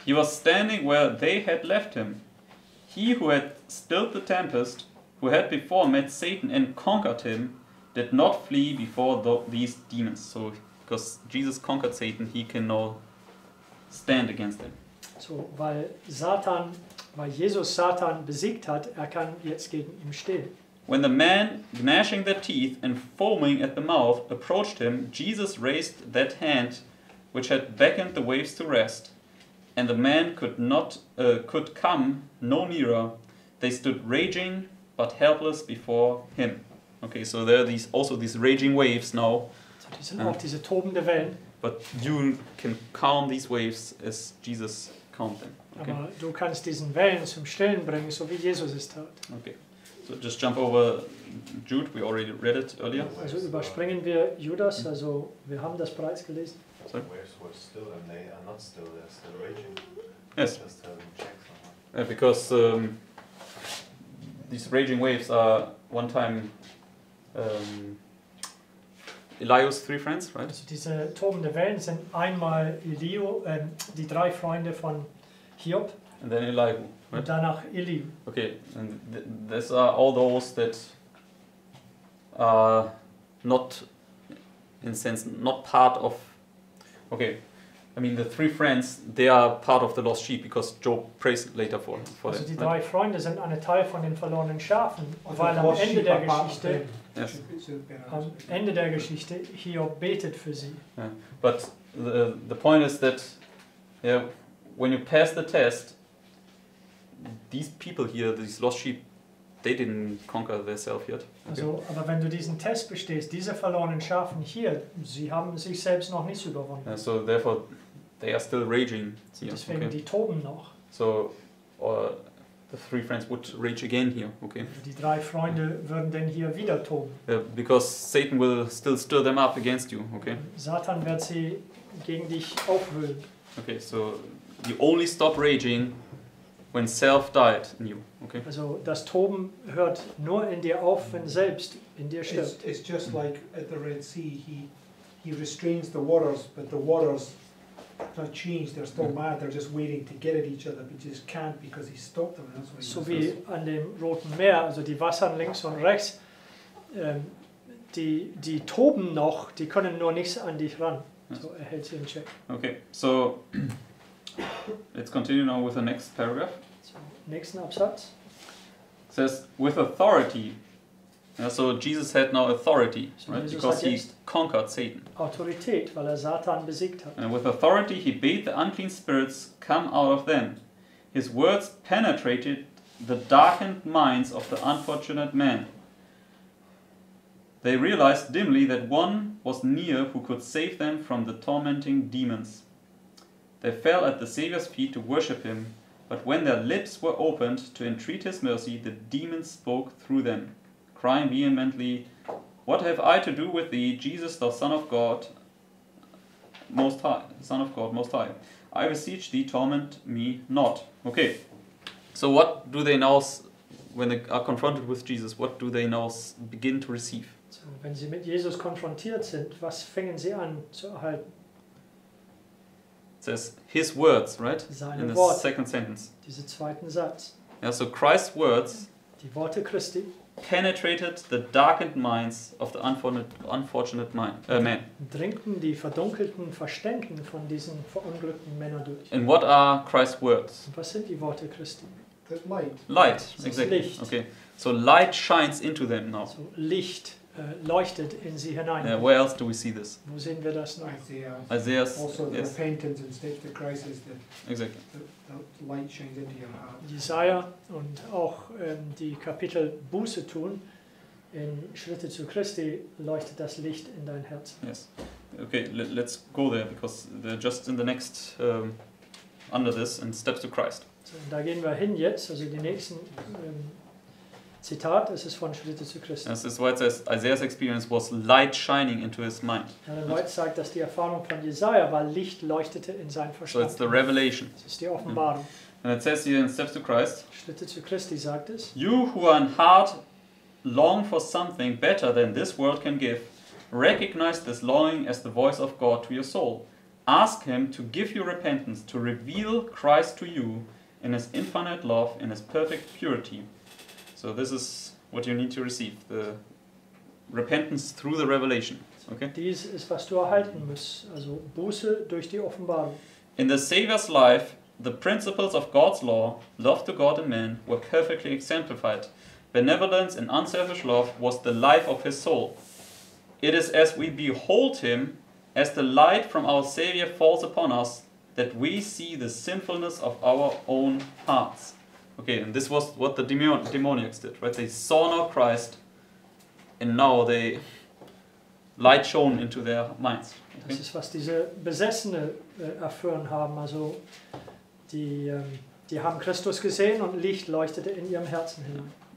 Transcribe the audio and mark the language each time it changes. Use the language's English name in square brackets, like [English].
[English] He was standing where they had left him. He who had stilled the tempest, who had before met Satan and conquered him, did not flee before these demons. So, because Jesus conquered Satan, he can now stand against them. [German] So, weil Jesus Satan besiegt hat, er kann jetzt gegen ihm stehen. [English] When the men, gnashing their teeth and foaming at the mouth, approached him, Jesus raised that hand which had beckoned the waves to rest, and the men could come no nearer. They stood raging but helpless before him. Okay, so there are these raging waves now. [German] So die sind auch diese tobende Wellen. [English] But you can calm these waves as Jesus calmed them. Okay. [German] Aber du kannst diesen Wellen zum Stillen bringen, so wie Jesus es tat. [English] Okay, so just jump over Jude. We already read it earlier. [German] Also überspringen wir Judas. Also wir haben das bereits gelesen. [English] So the waves were still and they are not still. They're still raging. Yes. Just having checked somehow. Yeah, because these raging waves are one time. Elio's three friends, right? [German] Also diese tobende Wellen sind einmal Elio, die drei Freunde von Hiob. [English] And then Elihu, right? [German] Und danach Elio. [English] Okay, and these are all those that are not, in a sense, not part of. Okay, I mean the three friends, they are part of the lost sheep because Job prays later for them. [German] Also [English] them, [German] die [English] right? [German] Drei Freunde sind eine Teil von den verlorenen Schafen, also weil am Ende der Geschichte. [English] Yes. [German] Am Ende der Geschichte Hiob betet für sie. [English] Yeah. But the point is that yeah, when you pass the test, these people here, these lost sheep, they didn't conquer themselves yet. Okay. [German] Also, aber wenn du diesen Test bestehst, diese verlorenen Schafen hier, sie haben sich selbst noch nicht überwunden. [English] Yeah, so therefore, they are still raging. So yeah, [German] deswegen [English] okay. [German] Die toben noch. [English] So, or the three friends would rage again here, okay? [German] Die drei Freunde würden denn hier wieder toben. [English] Yeah, because Satan will still stir them up against you, okay? [German] Satan wird sie gegen dich aufwühlen. [English] Okay, so you only stop raging when self died in you, okay? [German] Also das Toben hört nur in dir auf, wenn selbst in dir stirbt. [English] It's just like at the Red Sea, he restrains the waters, but the waters not changed, they're still mad, they're just waiting to get at each other, but just can't because he stopped them. That's what [German] so wie an dem Roten Meer, also die Wassern links und rechts, die toben noch, die können nur nichts an dich ran. So er hält sie [English] in check. Okay, so let's continue now with the next paragraph. [German] So, nächsten Absatz. [English] It says, with authority, Yeah, so Jesus had now authority, right? Because he conquered Satan. [German] Autorität, weil er Satan besiegt hat. [English] And with authority he bade the unclean spirits come out of them. His words penetrated the darkened minds of the unfortunate man. They realized dimly that one was near who could save them from the tormenting demons. They fell at the Savior's feet to worship him, but when their lips were opened to entreat his mercy, the demons spoke through them, crying vehemently, "What have I to do with thee, Jesus, thou Son of God, Most High? Son of God, Most High, I beseech thee, torment me not." Okay, so what do they now, when they are confronted with Jesus, what do they now begin to receive? [German] So, wenn sie mit Jesus konfrontiert sind, was fangen sie an zu erhalten? [English] It says his words, right? [German] Seine [English] in the [German] Worte, [English] second sentence. [German] Diese zweiten Satz. [English] Yeah, so Christ's words. [German] Die Worte Christi. [English] Penetrated the darkened minds of the unfortunate man. [German] Dringten die verdunkelten Verständen von diesen verunglückten Männern durch. [English] And what are Christ's words? [German] Und was sind die Worte Christi? [English] The light. Light, exactly. [German] Licht. [English] Okay, so light shines into them now. [German] So Licht leuchtet in sie hinein. [English] Yeah, where else do we see this? [German] Wo sehen wir das noch? [English] Isaiah. Also the repentance and state of the crisis. Exactly. The light shines into your heart. [German] Jesaja und auch die Kapitel Buße tun, in Schritte zu Christi, leuchtet das Licht in dein Herz. [English] Yes. Okay, let's go there, because they're just in the next, under this, in steps to Christ. [German] So, da gehen wir hin jetzt, also die nächsten Zitat, es ist von Schritte zu Christus. [English] This is why it says Isaiah's experience was light shining into his mind. [German] Helen White sagt, dass die Erfahrung von Jesaja war, Licht leuchtete in sein Verstand. [English] So it's the revelation. [German] Es ist die Offenbarung. [English] And it says here in Steps to Christ, [German] Schritte zu Christi sagt es, [English] you who are in heart long for something better than this world can give, recognize this longing as the voice of God to your soul. Ask him to give you repentance, to reveal Christ to you in his infinite love, in his perfect purity. So this is what you need to receive, the repentance through the revelation. Okay? [German] Dies ist, was du erhalten musst, also Buße durch die Offenbarung. [English] In the Savior's life, the principles of God's law, love to God and man, were perfectly exemplified. Benevolence and unselfish love was the life of his soul. It is as we behold him, as the light from our Savior falls upon us, that we see the sinfulness of our own hearts. Okay, and this was what the demoniacs did, right? They saw now Christ, and now they light shone into their minds. [German] Okay? Das ist, was diese Besessene erfahren haben. Also, die haben Christus gesehen und Licht leuchtete in ihrem Herzen hin.